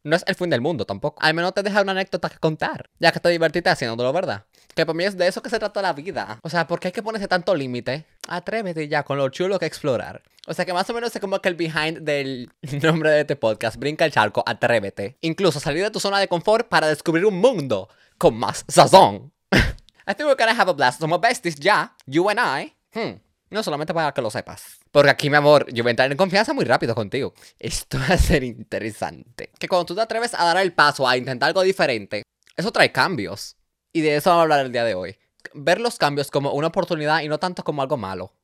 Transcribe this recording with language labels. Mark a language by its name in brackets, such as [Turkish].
[Spanish] No es el fin del mundo tampoco. Al menos te deja una anécdota que contar, ya que te divertiste haciéndolo, ¿verdad? Que para mí es de eso que se trata la vida. O sea, ¿por qué hay que ponerse tanto límite? Atrévete ya con lo chulo que explorar. O sea, que más o menos es como que el behind del nombre de este podcast, Brinca el Charco, atrévete. Incluso salir de tu zona de confort para descubrir un mundo con más sazón. [English] I think we're gonna have a blast. [Spanish] Somos besties ya, [English] you and I. [Spanish] No solamente para que lo sepas. Porque aquí, mi amor, yo voy a entrar en confianza muy rápido contigo. Esto va a ser interesante. Que cuando tú te atreves a dar el paso a intentar algo diferente, eso trae cambios. Y de eso vamos a hablar el día de hoy. Ver los cambios como una oportunidad y no tanto como algo malo.